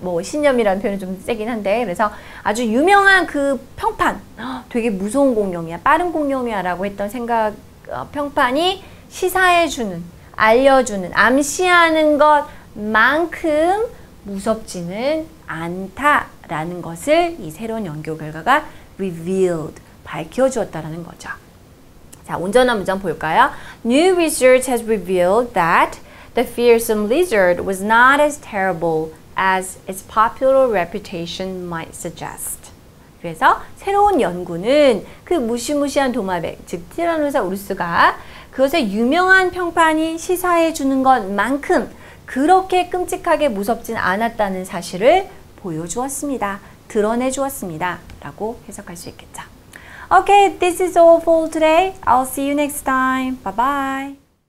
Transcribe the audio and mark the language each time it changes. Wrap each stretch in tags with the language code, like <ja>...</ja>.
<ko>뭐 신념이라는 표현은 좀 세긴 한데 그래서 아주 유명한 그 평판 되게 무서운 공룡이야 빠른 공룡이야 라고 했던 생각 평판이 시사해주는 알려주는 암시하는 것만큼 무섭지는 않다라는 것을 이 새로운 연구 결과가 revealed 밝혀주었다라는 거죠. 자, 온전한 문장 볼까요?</ko> <en>New research has revealed that the fearsome lizard was not as terrible as its popular reputation might suggest.</en> <ko>그래서 새로운 연구는 그 무시무시한 도마뱀, 즉 티라노사우루스가 그것의 유명한 평판이 시사해주는 것만큼 그렇게 끔찍하게 무섭진 않았다는 사실을 보여주었습니다. 드러내주었습니다. 라고 해석할 수 있겠죠.</ko> <en>Okay, this is all for today. I'll see you next time. Bye-bye.</en>